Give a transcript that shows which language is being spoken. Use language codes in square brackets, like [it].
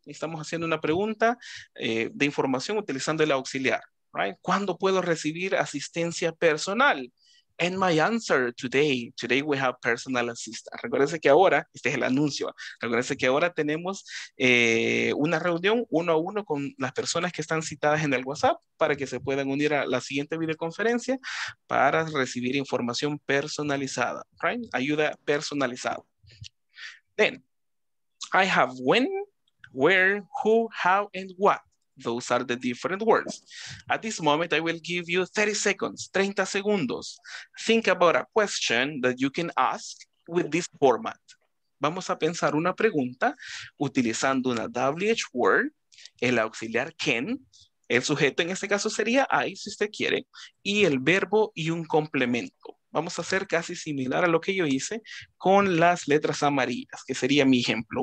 [es] Estamos haciendo una pregunta de información utilizando el auxiliar. Right? ¿Cuándo puedo recibir asistencia personal? [en] And my answer today, today we have personal assistance. [es] Recuerden que ahora, este es el anuncio, recuerden que ahora tenemos una reunión uno a uno con las personas que están citadas en el WhatsApp para que se puedan unir a la siguiente videoconferencia para recibir información personalizada. Right? Ayuda personalizada. [en] Then, I have when, where, who, how, and what. Those are the different words. At this moment, I will give you 30 seconds, 30 segundos. Think about a question that you can ask with this format. [es] Vamos a pensar una pregunta utilizando una WH word, el auxiliar can, el sujeto en este caso sería I, si usted quiere, y el verbo y un complemento. Vamos a hacer casi similar a lo que yo hice con las letras amarillas, que sería mi ejemplo.